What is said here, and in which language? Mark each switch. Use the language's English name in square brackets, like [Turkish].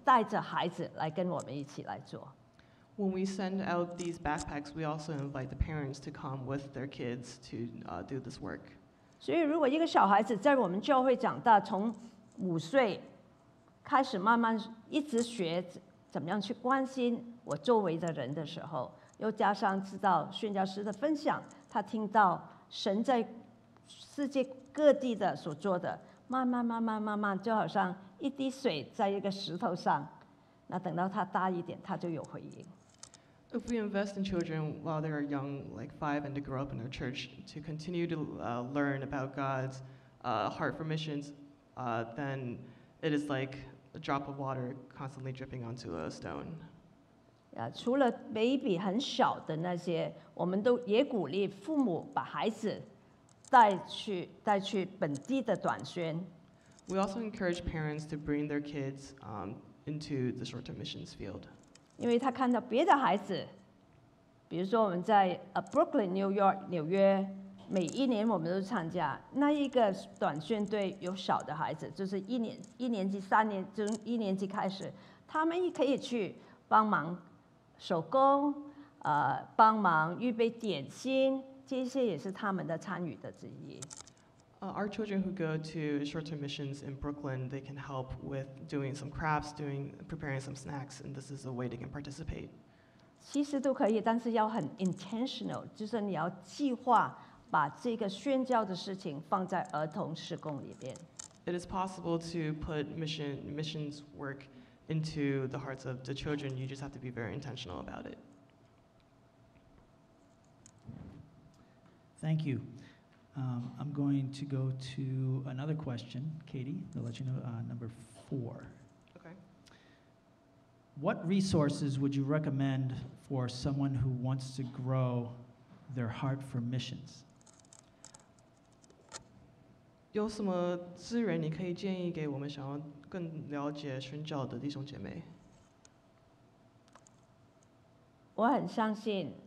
[Chinese] 所以我们也邀请，当我们distribute，让我们派这些背包，就是书包的时候，我们也邀请他们的父母带着孩子来跟我们一起来做。 [English] When we send out these backpacks, we also invite the parents to come with their kids to do this work. [Chinese] 所以如果一个小孩子在我们教会长大，从5岁开始慢慢一直学怎么样去关心我周围的人的时候，又加上知道宣教师的分享，他听到神在世界各地的所做的，慢慢慢慢慢慢，就好像一滴水在一个石头上，那等到他大一点，他就有回应。 [English] If we invest in children while they are young, like 5, and to grow up in our church, to continue to learn about God's heart for missions, then it is like a drop of water constantly dripping onto a stone. [Chinese] Yeah, 除了baby很小的那些，我们都也鼓励父母把孩子带去本地的短宣。 [English] We also encourage parents to bring their kids into the short-term missions field. [Chinese] 因为他看到别的孩子比如说我们在 Brooklyn, New York, 纽约, 每一年我们都参加，那一个短训对有小的孩子，就是一年级、三年，从一年级开始，他们也可以去帮忙手工，帮忙预备点心，这些也是他们的参与的之一。 [English] Our children who go to short-term missions in Brooklyn, they can help with doing some crafts, preparing some snacks, and this is a way they can participate. [Chinese] 其实都可以，但是要很 intentional，就是你要计划把这个宣教的事情放在儿童施工里边。It [English] is possible to put missions work into the hearts of the children. You just have to be very intentional about it. Thank you. I'm going to go to another question, Katie. I'll let you know number four. Okay. What resources would you recommend for someone who wants to grow their heart for missions? [Chinese] 有什么资源你可以建议给我们想要更了解宣教的弟兄姐妹？我很相信。